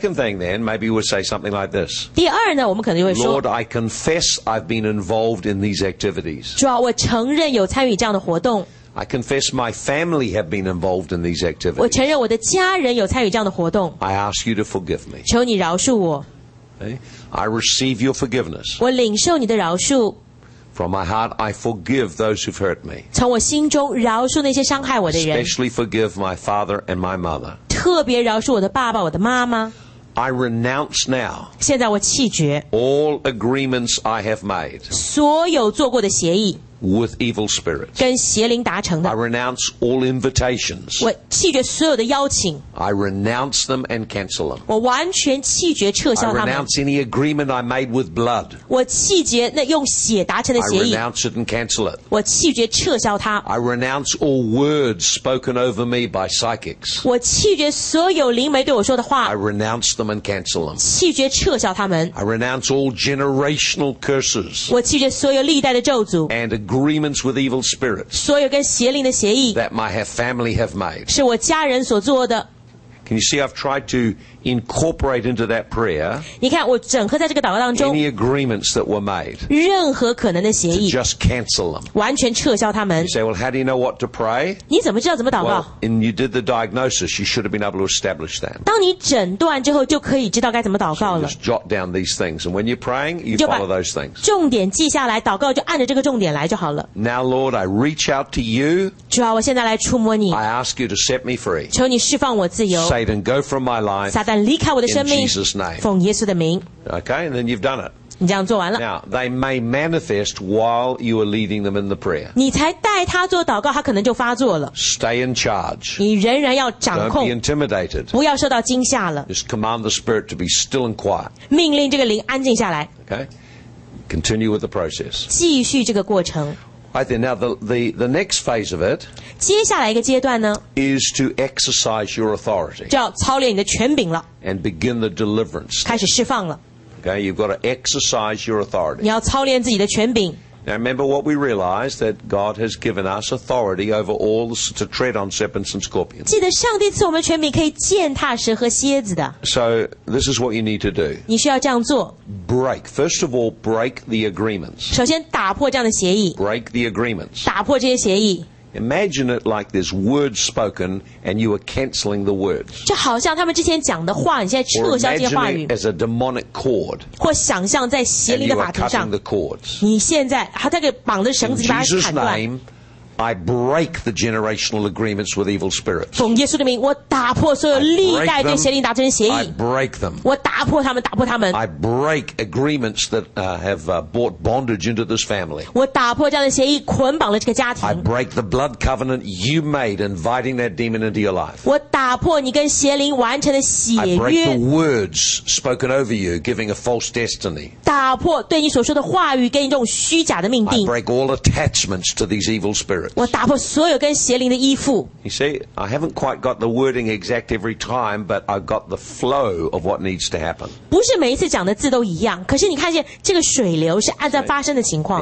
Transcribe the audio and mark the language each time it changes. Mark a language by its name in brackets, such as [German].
[English] Second thing then, maybe we'll say something like this. [Chinese] 第二呢，我们可能会说 [English] Lord, I confess I've been involved in these activities. [Chinese] 主啊，我承认有参与这样的活动。 [English] I confess my family have been involved in these activities. [Chinese] 我承认我的家人有参与这样的活动。 [English] I ask you to forgive me. [Chinese] 求你饶恕我。 [English] Okay. I receive your forgiveness. [Chinese] 我领受你的饶恕。 [English] From my heart, I forgive those who've hurt me. [Chinese] 从我心中饶恕那些伤害我的人。 [English] Especially forgive my father and my mother. [Chinese] 特别饶恕我的爸爸，我的妈妈。 [English] I renounce now. [Chinese] 现在我弃绝。 [English] All agreements I have made. [Chinese] 所有做过的协议。 [English] With evil spirits. [Chinese] 跟邪灵达成的。 [English] I renounce all invitations. [Chinese] 我弃绝所有的邀请。 [English] I renounce them and cancel them. [Chinese] 我完全弃绝撤销他们。 [English] I renounce any agreement I made with blood. [Chinese] 我弃绝那用血达成的协议。 [English] I renounce it and cancel it. [Chinese] 我弃绝撤销它。 [English] I renounce all words spoken over me by psychics. [Chinese] 我弃绝所有灵媒对我说的话。 [English] I renounce them and cancel them. [Chinese] 弃绝撤销他们。 [English] I renounce all generational curses. [Chinese] 我弃绝所有历代的咒诅。 [English] And agreements with evil spirits. [Chinese] 所有跟邪灵的协议。 [English] That my family have made. [Chinese] 是我家人所做的。 [English] Can you see I've tried to incorporate into that prayer [Chinese] 你看我整合在这个祷告当中 [English] any agreements that were made [Chinese] 任何可能的协议 [English] to just cancel them [Chinese] 完全撤销他们 [English] You say, well, how do you know what to pray? [Chinese] 你怎么知道怎么祷告 [English] Well, and you did the diagnosis, you should have been able to establish that [Chinese] 当你诊断之后就可以知道该怎么祷告了 [English] So you just jot down these things And when you're praying, you follow those things [Chinese] 重点记下来祷告就按着这个重点来就好了 [English] Now, Lord, I reach out to you [Chinese] 主啊我现在来触摸你 [English] I ask you to set me free [Chinese] 求你释放我自由 [English] Satan, go from my life In Jesus' name. [Chinese] 奉耶稣的名。 [English] Okay, and then you've done it. [Chinese] 你这样做完了。 [English] Now, they may manifest while you are leading them in the prayer. [Chinese] 你才带他做祷告，他可能就发作了。 [English] Stay in charge. [Chinese] 你仍然要掌控。 [English] Don't be intimidated. [Chinese] 不要受到惊吓了。 [English] Just command the spirit to be still and quiet. [Chinese] 命令这个灵安静下来。 [English] Okay, continue with the process. [Chinese] 继续这个过程。 [English] Right then, now the next phase of it [Chinese] 接下来一个阶段呢 [English] is to exercise your authority [Chinese] 就要操练你的权柄了 [English] and begin the deliverance [Chinese] 开始释放了 [English] Okay, you've got to exercise your authority [Chinese] 你要操练自己的权柄 [English] Now remember what we realized that God has given us authority over all to tread on serpents and scorpions [Chinese] 记得上帝赐我们权柄可以践踏蛇和蝎子的 [English] So this is what you need to do [Chinese] 你需要这样做 [English] Break. First of all, break the agreements. [Chinese] 首先打破这样的协议。 [English] Break the agreements. [Chinese] 打破这些协议。 [English] Imagine it like there's words spoken and you are cancelling the words. [Chinese] 就好像他们之前讲的话，你现在撤销这些话语。 [English] Or imagine it as a demonic cord. [Chinese] 或想象在邪灵的把头上。 [English] And you are cutting the cords. [Chinese] 你现在他在给绑着绳子，你把它砍断。 [English] In Jesus' name, I break the generational agreements with evil spirits. [Chinese] 奉耶稣的名，我打破所有历代对邪灵达成的协议。 [English] I break them. [Chinese] 我打破他们，打破他们。 [English] I break agreements that have brought bondage into this family. [Chinese] 我打破这样的协议，捆绑了这个家庭。 [English] I break the blood covenant you made, inviting that demon into your life. [Chinese] 我打破你跟邪灵完成的血约。 [English] I break the words spoken over you, giving a false destiny. [Chinese] 打破对你所说的话语，给你这种虚假的命定。 [English] I break all attachments to these evil spirits. [Chinese] 我打破所有跟邪灵的依附。 [English] You see, I haven't quite got the wording exact every time, but I've got the flow of what needs to happen. [Chinese] 不是每一次讲的字都一样，可是你看见这个水流是按照发生的情况。